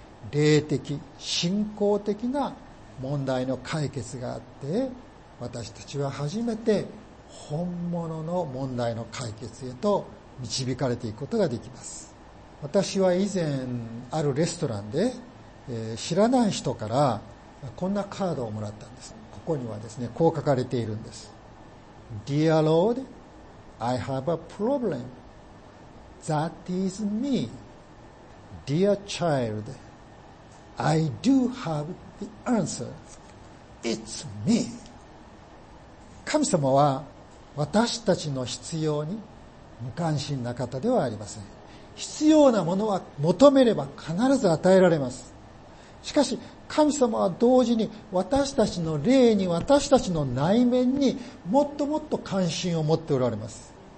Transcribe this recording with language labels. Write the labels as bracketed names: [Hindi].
[Japanese] 霊的、信仰的な問題の解決があって、私たちは初めて本物の問題の解決へと導かれていくことができます。私は以前あるレストランで、知らない人からこんなカードをもらったんです。ここにはですね、こう書かれているんです。 [English] Dear Lord, I have a problem. That is me. Dear Child, I do have the answer. It's me. [Japanese] 神様は私たちの必要に無関心な方ではありません。必要なものは求めれば必ず与えられます。しかし、神様は同時に私たちの霊に、私たちの内面にもっともっと関心を持っておられます。